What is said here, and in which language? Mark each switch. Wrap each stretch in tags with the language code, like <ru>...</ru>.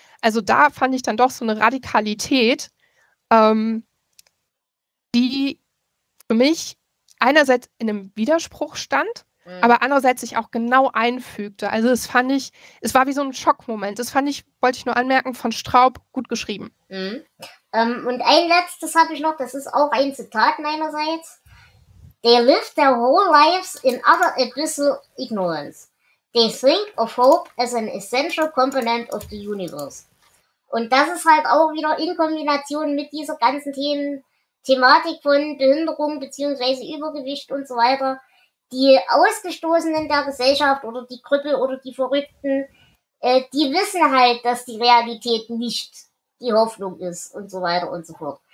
<de>Also da fand ich dann doch so eine Radikalität, die für mich einerseits in einem Widerspruch stand, aber andererseits sich auch genau einfügte. Also das fand ich, es war wie so ein Schockmoment. Das fand ich, wollte ich nur anmerken, von Straub gut geschrieben. Mhm. Und ein letztes habe ich noch, das ist auch ein Zitat meinerseits.</de> <en>They live their whole lives in utter abyssal ignorance. They think of hope as an essential component of the universe.</en> <de>Und das ist halt auch wieder in Kombination mit dieser ganzen Thematik von Behinderung beziehungsweise Übergewicht und so weiter. Die Ausgestoßenen der Gesellschaft oder die Krüppel oder die Verrückten, die wissen halt, dass die Realität nicht die Hoffnung ist und so weiter und so fort.</de>